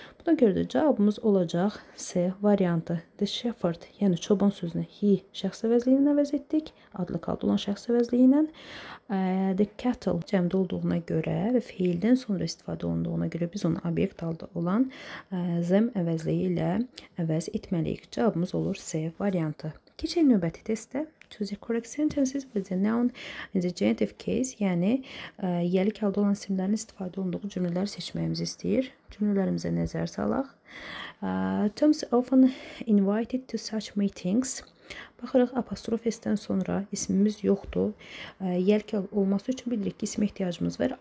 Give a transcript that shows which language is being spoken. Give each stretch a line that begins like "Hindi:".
Azerbaijani: Buna görə də cavabımız olacaq C variantı. The shepherd, yəni çoban sözünü he şəxs əvəzliyi ilə əvəz etdik. Adlı qaldı olan şəxs əvəzliyi ilə. The cattle cəmdə olduğuna görə və feildən sonra istifadə olunduğuna görə biz onu obyekt adı olan zəm əvəzliyi ilə əvəz etməliyik. Cavabımız olur C variantı. Keçək növbəti testdə.
English: Choose the correct sentences with the noun in the genitive case.
Azerbaijani: Yəni, yəlik halda olan isimlərin istifadə olunduğu cümlələri seçməyimizi istəyir. Cümlələrimizə nəzər salaq.
English: Terms often invited to such meetings.
Azerbaijani: Baxırıq, apostrofesdən sonra ismimiz yoxdur. Yəlik olması üçün bilirik ki, ismə ehtiyacımız var.